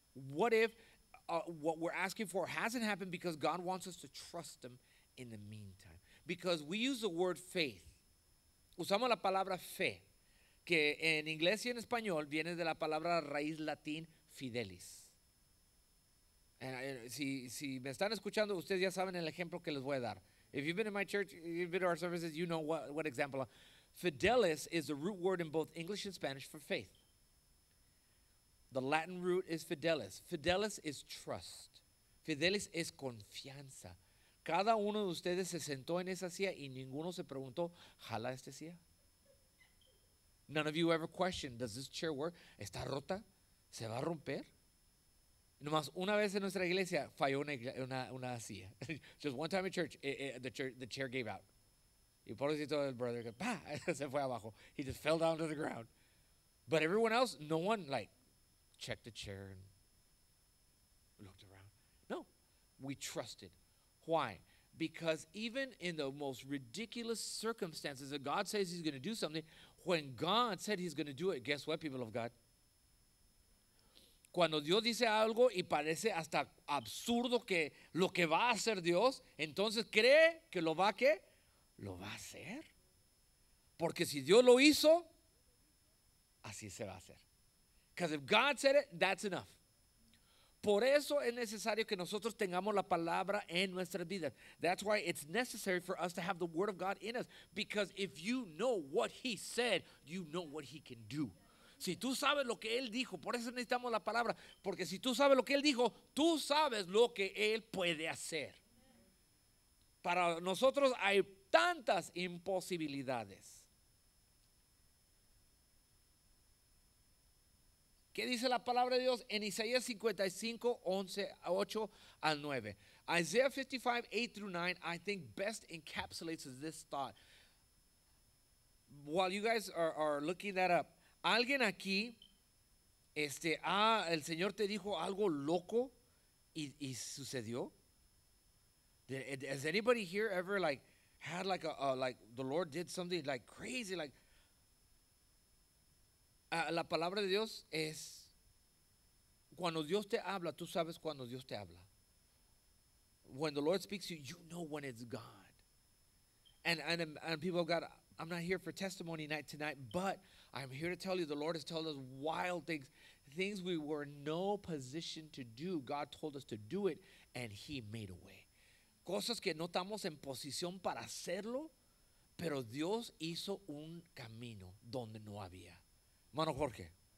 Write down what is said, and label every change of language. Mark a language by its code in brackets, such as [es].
[en] What if what we're asking for hasn't happened because God wants us to trust him in the meantime? Because we use the word faith. [es] Usamos la palabra fe, que en inglés y en español viene de la palabra raíz latín fidelis. Si me están escuchando, ustedes ya saben el ejemplo que les voy a dar. [en] If you've been in my church, if you've been to our services, you know what example. Fidelis is the root word in both English and Spanish for faith. The Latin root is fidelis. Fidelis is trust. [es] Fidelis es confianza. Cada uno de ustedes se sentó en esa silla y ninguno se preguntó, ¿jala esta silla? [en] None of you ever questioned, does this chair work? [es] ¿Está rota? ¿Se va a romper? Nomás una vez en nuestra iglesia falló una silla. [en] Just one time in church, the chair gave out. [es] Y por eso todo el brother, ¡pah! Se fue abajo. [en] He just fell down to the ground. But everyone else, no one like checked the chair and looked around. No, we trusted. Why? Because even in the most ridiculous circumstances that God says he's going to do something, when God said he's going to do it, guess what, people of God? [es] Cuando Dios dice algo y parece hasta absurdo que lo que va a hacer Dios, entonces cree que lo va a qué? Lo va a hacer. Porque si Dios lo hizo, así se va a hacer. [en] Because if God said it, that's enough. [es] Por eso es necesario que nosotros tengamos la palabra en nuestras vidas. [en] That's why it's necessary for us to have the word of God in us. Because if you know what he said, you know what he can do. [es] Si tú sabes lo que él dijo, por eso necesitamos la palabra. Porque si tú sabes lo que él dijo, tú sabes lo que él puede hacer. Para nosotros hay tantas imposibilidades. ¿Qué dice la palabra de Dios en Isaías 55, 11, 8 al 9? [en] Isaiah 55, 8 through 9, I think best encapsulates this thought. While you guys are looking that up, [es] alguien aquí, el Señor te dijo algo loco y sucedió. [en] Has anybody here ever like had like a like the Lord did something like crazy? [es] Like la palabra de Dios es cuando Dios te habla, tú sabes cuando Dios te habla. [en] When the Lord speaks to you, you know when it's God. And people of God, I'm not here for testimony night tonight, but I'm here to tell you the Lord has told us wild things, things we were in no position to do. God told us to do it, and he made a way. [es] Cosas que no estamos en posición para hacerlo, pero Dios hizo un camino donde no había. Mano Jorge.